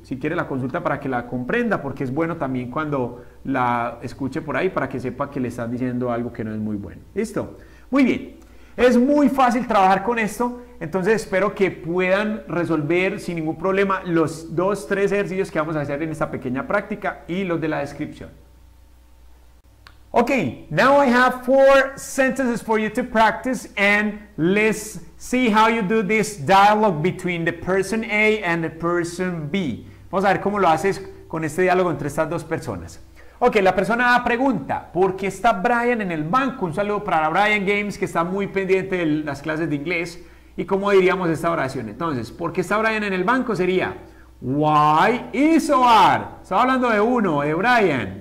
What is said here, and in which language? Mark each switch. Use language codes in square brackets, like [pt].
[es] Si quiere la consulta para que la comprenda, porque es bueno también cuando la escuche por ahí para que sepa que le están diciendo algo que no es muy bueno. ¿Listo? Muy bien. Es muy fácil trabajar con esto, entonces espero que puedan resolver sin ningún problema los dos, tres ejercicios que vamos a hacer en esta pequeña práctica y los de la descripción. [en] Ok, now I have four sentences for you to practice and let's see how you do this dialogue between the person A and the person B. [es] Vamos a ver cómo lo haces con este diálogo entre estas dos personas. Ok, la persona A pregunta, ¿por qué está Brian en el banco? Un saludo para Brian Games, que está muy pendiente de las clases de inglés. ¿Y cómo diríamos esta oración? Entonces, ¿por qué está Brian en el banco? Sería, why is or are? Estaba hablando de uno, de Brian.